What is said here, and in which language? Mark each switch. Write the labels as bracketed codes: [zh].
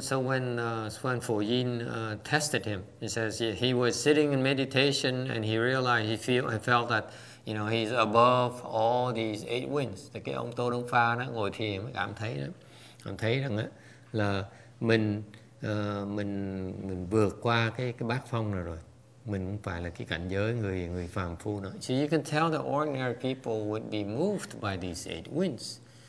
[en] Phổ Yên tested him, he says he was sitting in meditation and he realized he felt that, you know, he's above all these eight winds. [vi] Thì cái ông Tô Đông Pha đó ngồi thiền mới cảm thấy rằng á là mình vượt qua cái bát phong này rồi. Mình không phải là cái cảnh giới người phàm phu nữa. [en] So you can tell that ordinary people would be moved by these eight winds.